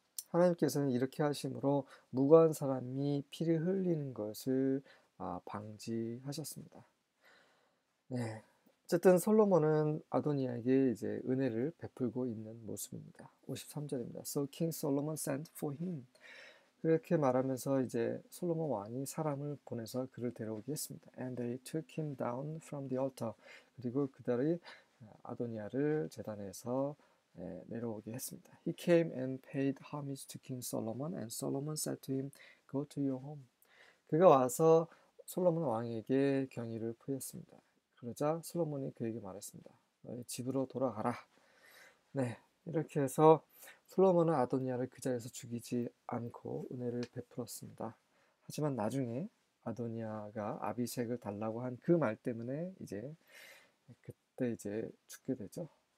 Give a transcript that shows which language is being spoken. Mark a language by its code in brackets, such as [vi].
[ko] 하나님께서는 이렇게 하심으로 무고한 사람이 피를 흘리는 것을 방지하셨습니다. 네, 어쨌든 솔로몬은 아도니아에게 이제 은혜를 베풀고 있는 모습입니다. 53절입니다. [en] So King Solomon sent for him. [ko] 그렇게 말하면서 이제 솔로몬 왕이 사람을 보내서 그를 데려오게 했습니다. [en] And they took him down from the altar. [ko] 그리고 그들이 아도니아를 제단에서 내려오게 했습니다. [en] He came and paid homage to King Solomon, and Solomon said to him, Go to your home. [ko] 그가 와서 솔로몬 왕에게 경의를 표했습니다. 그러자 솔로몬이 그에게 말했습니다. 너의 집으로 돌아가라. 네, 이렇게 해서 솔로몬은 아도니아를 그 자리에서 죽이지 않고 은혜를 베풀었습니다. 하지만 나중에 아도니아가 아비색을 달라고 한그말 때문에 이제 그때 이제 죽게 되죠.